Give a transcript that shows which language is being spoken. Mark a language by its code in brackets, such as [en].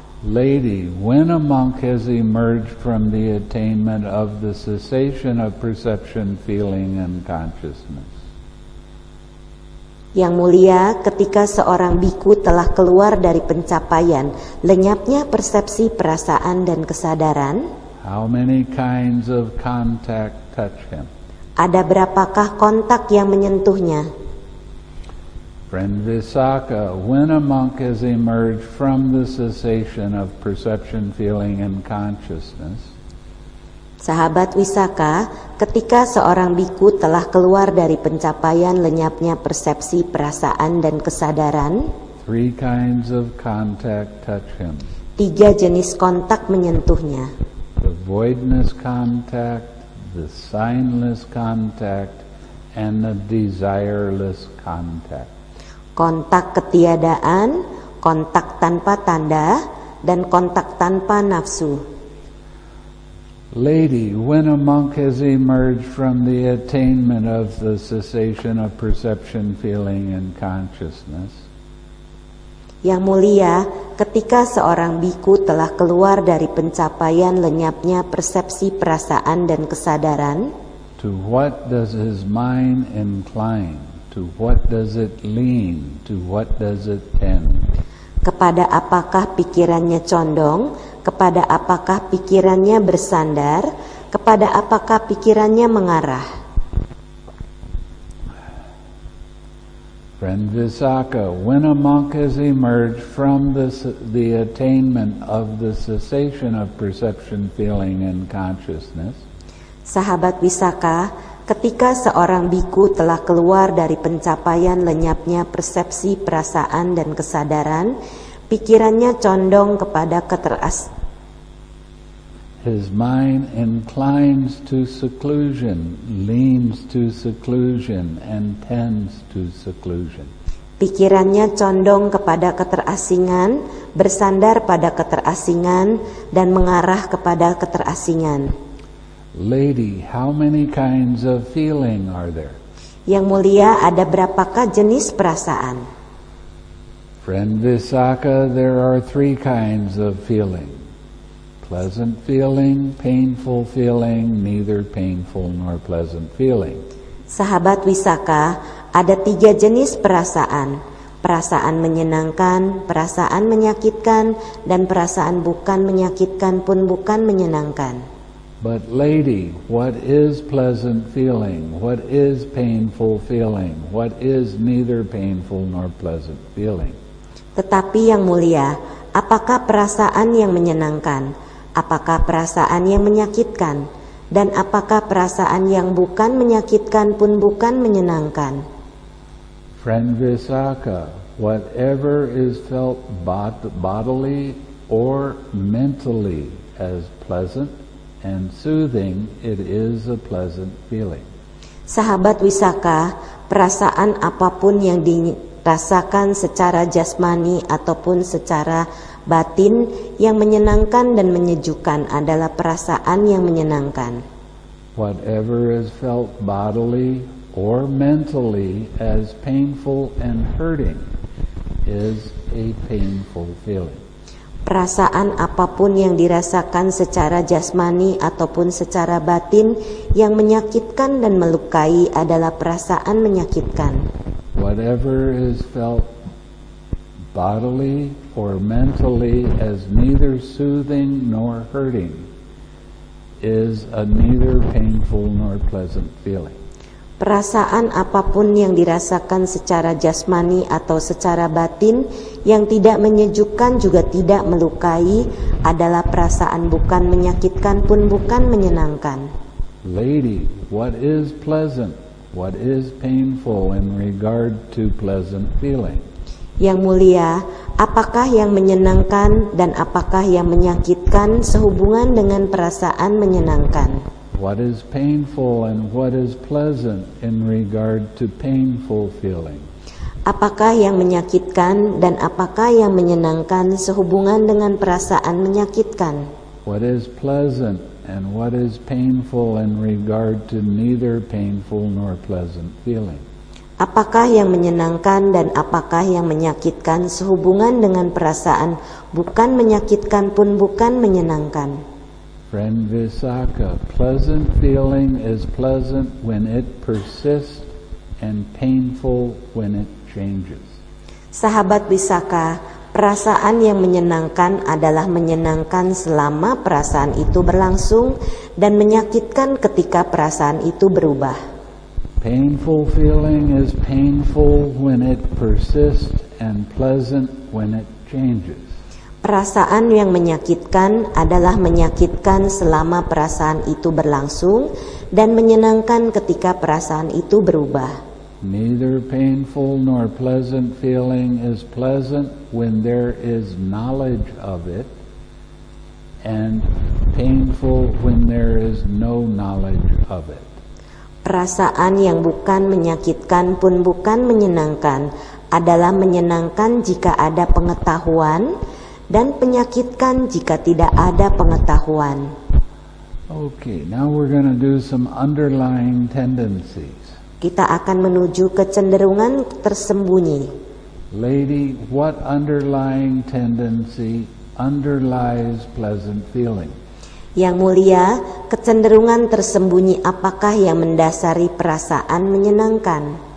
[en] Lady, when a monk has emerged from the attainment of the cessation of perception, feeling, and consciousness. [id] Yang mulia, ketika seorang bhikkhu telah keluar dari pencapaian lenyapnya persepsi, perasaan, dan kesadaran. [en] How many kinds of contact touch him? [id] Ada berapakah kontak yang menyentuhnya? [en] Friend Visakha, when a monk has emerged from the cessation of perception, feeling, and consciousness. [id] Sahabat Visakha, ketika seorang bhikkhu telah keluar dari pencapaian lenyapnya persepsi, perasaan, dan kesadaran. [en] Three kinds of contact touch him. [id] Tiga jenis kontak menyentuhnya. [en] The voidness contact, the signless contact, and the desireless contact. [id] Kontak ketiadaan, kontak tanpa tanda, dan kontak tanpa nafsu. [en] Lady, when a monk has emerged from the attainment of the cessation of perception, feeling, and consciousness. [id] Yang mulia, ketika seorang bhikkhu telah keluar dari pencapaian lenyapnya persepsi, perasaan, dan kesadaran. [en] To what does his mind incline? To what does it lean? To what does it tend? [id] Kepada apakah pikirannya condong? Kepada apakah pikirannya bersandar? Kepada apakah pikirannya mengarah? [en] Friend Visakha, when a monk has emerged from the attainment of the cessation of perception, feeling, and consciousness. [id] Sahabat Visakha, ketika seorang bhikkhu telah keluar dari pencapaian lenyapnya persepsi, perasaan, dan kesadaran, pikirannya condong kepada [en] His mind inclines to seclusion, leans to seclusion, and tends to seclusion. [id] Pikirannya condong kepada keterasingan, bersandar pada keterasingan, dan mengarah kepada keterasingan. [en] Lady, how many kinds of feeling are there? [id] Yang mulia, ada berapakah jenis perasaan? [en] Friend Visakha, there are three kinds of feeling. Pleasant feeling, painful feeling, neither painful nor pleasant feeling. [id] Sahabat Visakha, ada tiga jenis perasaan. Perasaan menyenangkan, perasaan menyakitkan, dan perasaan bukan menyakitkan pun bukan menyenangkan. [en] But lady, what is pleasant feeling? What is painful feeling? What is neither painful nor pleasant feeling? [id] Tetapi yang mulia, apakah perasaan yang menyenangkan? Apakah perasaan yang menyakitkan? Dan apakah perasaan yang bukan menyakitkan pun bukan menyenangkan? [en] Friend Visakha, whatever is felt bodily or mentally as pleasant and soothing, it is a pleasant feeling. [id] Sahabat Visakha, perasaan apapun yang dirasakan secara jasmani ataupun secara batin yang menyenangkan dan menyejukkan adalah perasaan yang menyenangkan. [en] Whatever is felt bodily or mentally as painful and hurting is a painful feeling. [id] Perasaan apapun yang dirasakan secara jasmani ataupun secara batin yang menyakitkan dan melukai adalah perasaan menyakitkan. [en] Whatever is felt bodily or mentally as neither soothing nor hurting is a neither painful nor pleasant feeling. [id] Perasaan apapun yang dirasakan secara jasmani atau secara batin yang tidak menyejukkan juga tidak melukai adalah perasaan bukan menyakitkan pun bukan menyenangkan. [en] Lady, what is pleasant? What is painful in regard to pleasant feeling? [id] Yang mulia, apakah yang menyenangkan dan apakah yang menyakitkan sehubungan dengan perasaan menyenangkan? [en] What is painful and what is pleasant in regard to painful feeling? [id] Apakah yang menyakitkan dan apakah yang menyenangkan sehubungan dengan perasaan menyakitkan? [en] What is pleasant and what is painful in regard to neither painful nor pleasant feeling. [id] Apakah yang menyenangkan dan apakah yang menyakitkan sehubungan dengan perasaan, bukan menyakitkan pun bukan menyenangkan. [en] Friend Visakha, pleasant feeling is pleasant when it persists and painful when it changes. [id] Sahabat Visakha, perasaan yang menyenangkan adalah menyenangkan selama perasaan itu berlangsung dan menyakitkan ketika perasaan itu berubah. [en] Painful feeling is painful when it persists and pleasant when it changes. [id] Perasaan yang menyakitkan adalah menyakitkan selama perasaan itu berlangsung dan menyenangkan ketika perasaan itu berubah. [en] Neither painful nor pleasant feeling is pleasant when there is knowledge of it, and painful when there is no knowledge of it. [id] Perasaan yang bukan menyakitkan pun bukan menyenangkan adalah menyenangkan jika ada pengetahuan dan menyakitkan jika tidak ada pengetahuan. [en] Okay, now we're going to do some underlying tendencies. [id] Kita akan menuju kecenderungan tersembunyi. [en] Lady, what underlying tendency underlies pleasant feeling? [id] Yang mulia, kecenderungan tersembunyi apakah yang mendasari perasaan menyenangkan?